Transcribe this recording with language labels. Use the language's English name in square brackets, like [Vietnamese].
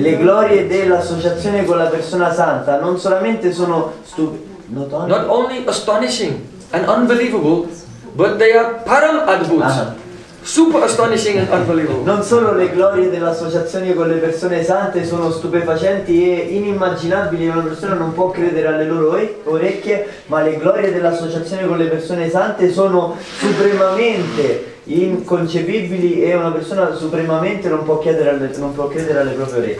[Italian] Le glorie dell'associazione con la persona santa non solamente sono stupide. [English] Not only astonishing and unbelievable, but they are param adbhut. Super astonishing and unbelievable. [Italian] Non solo le glorie dell'associazione con le persone sante sono stupefacenti e inimmaginabili, una persona non può credere alle loro orecchie, ma le glorie dell'associazione con le persone sante sono supremamente inconcepibili e una persona supremamente non può credere alle proprie orecchie.